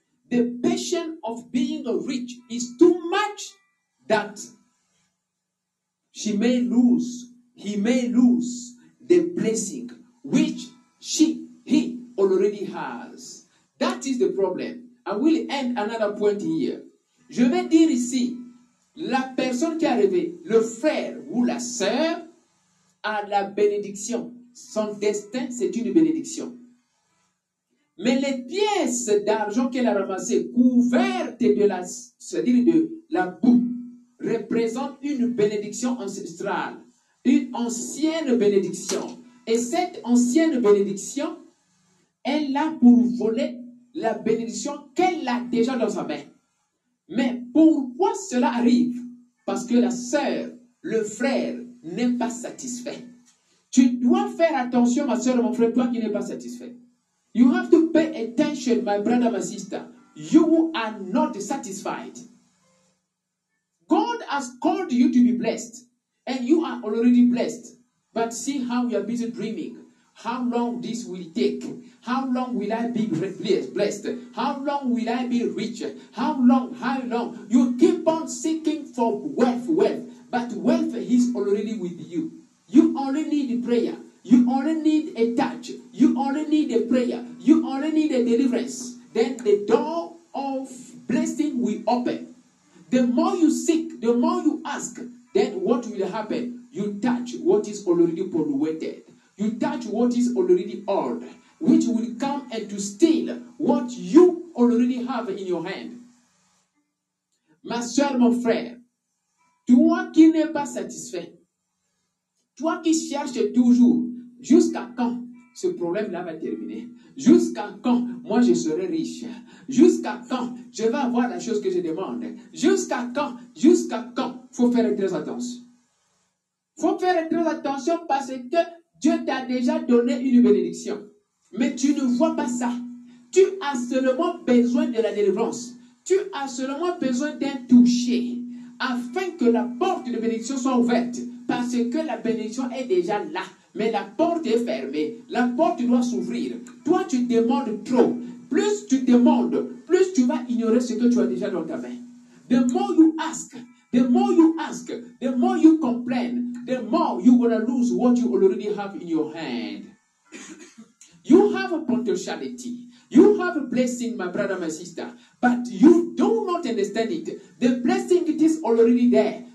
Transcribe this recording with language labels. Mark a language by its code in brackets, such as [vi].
[en] The passion of being rich is too much that she may lose, he may lose the blessing which she, he already has. That is the problem. I will end another point here. [fr] Je vais dire ici, la personne qui est arrivée, le frère ou la sœur, a la bénédiction. Son destin, c'est une bénédiction. Mais les pièces d'argent qu'elle a ramassées, couvertes de la, c'est-à-dire de la boue, représentent une bénédiction ancestrale, une ancienne bénédiction. Et cette ancienne bénédiction, elle a pour volet la bénédiction qu'elle a déjà dans sa main. Mais pourquoi cela arrive? Parce que la sœur, le frère, n'est pas satisfait. Tu dois faire attention, ma sœur, mon frère, toi qui n'es pas satisfait. [en] You have to pay attention, my brother, my sister. You are not satisfied. God has called you to be blessed. And you are already blessed. But see how you are busy dreaming. How long this will take? How long will I be blessed? How long will I be rich? How long? You keep on seeking for wealth. But wealth is already with you. You only need a prayer. You only need a touch. You only need a prayer. You only need a deliverance. Then the door of blessing will open. The more you seek, the more you ask, then what will happen? You touch what is already polluted. You touch what is already old, which will come and to steal what you already have in your hand. [fr] Ma soeur, mon frère, toi qui n'es pas satisfait, toi qui cherches toujours, jusqu'à quand ce problème-là va terminer? Jusqu'à quand moi je serai riche? Jusqu'à quand je vais avoir la chose que je demande? Jusqu'à quand? Faut faire très attention. Faut faire très attention parce que Dieu t'a déjà donné une bénédiction. Mais tu ne vois pas ça. Tu as seulement besoin de la délivrance. Tu as seulement besoin d'un toucher afin que la porte de bénédiction soit ouverte. Parce que la bénédiction est déjà là. Mais la porte est fermée. La porte doit s'ouvrir. Toi, tu demandes trop. Plus tu demandes, plus tu vas ignorer ce que tu as déjà dans ta main. [en] The more you ask, the more you complain, the more you're going to lose what you already have in your hand. You have a potentiality. You have a blessing, my brother, my sister. But you do not understand it. The blessing it is already there.